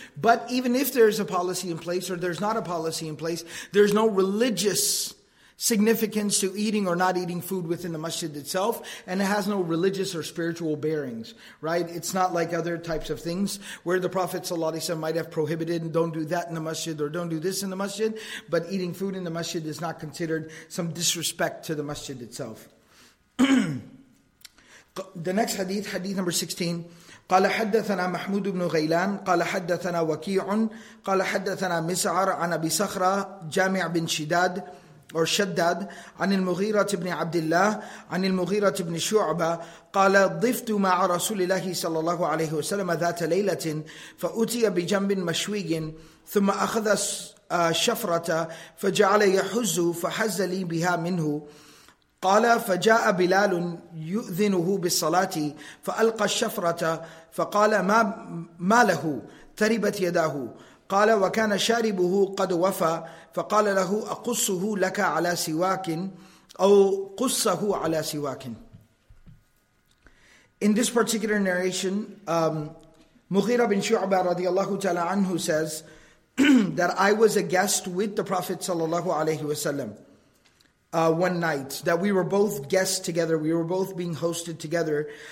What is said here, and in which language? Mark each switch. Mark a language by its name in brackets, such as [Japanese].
[English] But even if there's a policy in place or there's not a policy in place, there's no religious significance to eating or not eating food within the masjid itself, and it has no religious or spiritual bearings, right? It's not like other types of things where the Prophet ﷺ might have prohibited and don't do that in the masjid or don't do this in the masjid, but eating food in the masjid is not considered some disrespect to the masjid itself. The next hadith, hadith number 16, [Arabic] قال حدثنا محمود بن غيلان قال حدثنا وكيع قال حدثنا مسعر عن أبي صخرة جامع بن شداد [English] or Shaddad, [Arabic] عن المغيرة بن عبد الله عن المغيرة بن شعبة قال ضفت مع رسول الله صلى الله عليه وسلم ذات ليلة فأتي بجنب مشوي ثم أخذ شفرة فجعل يحز فحز لي بها منه قال فجاء بلال يؤذنه بالصلاة فألقى الشفرة فقال ما له تربت يداه قال وكان شاربه قد وفى فقال له أقصه لك على سواك أو قصه على سواك. [English] In this particular narration, Mughira bin Shu'bah radiallahu ta'ala anhu says that I was a guest with the Prophet sallallahu alayhi wasallam one night, that we were both guests together, we were both being hosted together.